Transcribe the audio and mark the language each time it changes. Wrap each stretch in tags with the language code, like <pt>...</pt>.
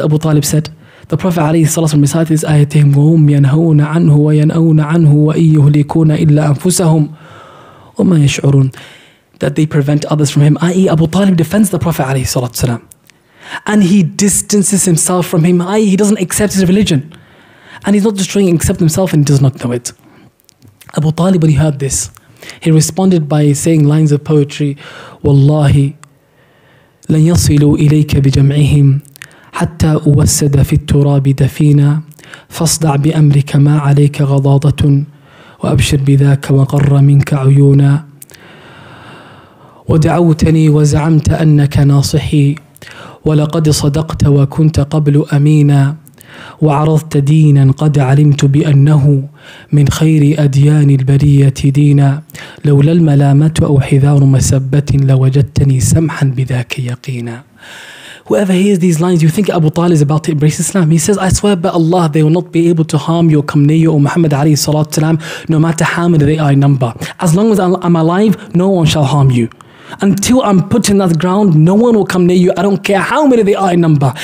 <en>Abu Talib said, the Prophet alayhi salatu wasalam recited this ayah to him,</en> <ar>وَهُمْ يَنْهَوْنَ عَنْهُ وَيَنْأَوْنَ عَنْهُ وَإِنْ يُهْلِكُونَ إِلَّا أَنفُسَهُمْ وَمَا يَشْعُرُونَ,</ar> <en>that they prevent others from him, i.e. Abu Talib defends the Prophet alayhi salatu wasalam, and he distances himself from him, i.e. he doesn't accept his religion, and he's not destroying except himself, and he does not know it. Abu Talib, when he heard this, he responded by saying lines of poetry,</en> <ar>وَاللَّهِ لن يصلوا إليك بجمعهم حتى أوسد في التراب دفينا فاصدع بأمرك ما عليك غضاضة وأبشر بذاك وقر منك عيونا. ودعوتني وزعمت أنك ناصحي، ولقد صدقت وكنت قبل أمينا، وعرضت دينا قد علمت بأنه من خير أديان البرية دينا. لولا الملامة أو حذار مسبة لوجدتني سمحا بذاك يقينا.</ar> <en>Whoever hears these lines, you think Abu Talib is about to embrace Islam. He says, I swear by Allah, they will not be able to harm you or come near you or Muhammad alayhi salatu salam, no matter how many they are in number. As long as I'm alive, no one shall harm you. Until I'm put in that ground, no one will come near you. I don't care how many they are in number.</en>